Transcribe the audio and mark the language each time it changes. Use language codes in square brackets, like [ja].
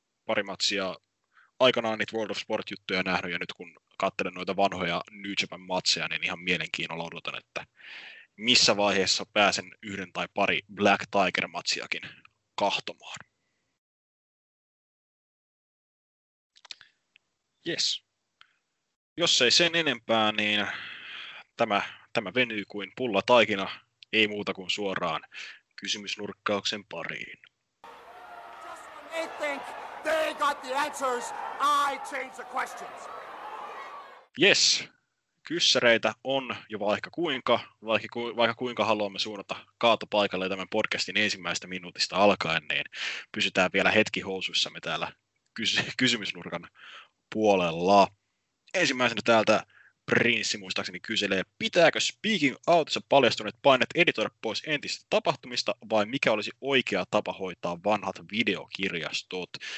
[fi] Pari matsia aikanaan niitä World of Sport-juttuja nähnyt, ja nyt kun katselen noita vanhoja New Japan-matseja, niin ihan mielenkiinnolla odotan, että missä vaiheessa pääsen yhden tai pari Black Tiger-matsiakin kahtomaan. [en] Yes. [fi] Jos ei sen enempää, niin tämä venyy kuin pulla taikina. Ei muuta kuin suoraan kysymysnurkkauksen pariin. [en] Just when they think they got the answers, I change the questions. Yes, [fi] kyssäreitä on jo vaikka kuinka haluamme suunnata kaatopaikalle tämän podcastin ensimmäistä minuutista alkaen, niin pysytään vielä hetki housuissamme täällä kysymysnurkan puolella. Ensimmäisenä täältä Prinssi muistaakseni kyselee, pitääkö speaking outissa paljastuneet painet editoida pois entistä tapahtumista, vai mikä olisi oikea tapa hoitaa vanhat videokirjastot?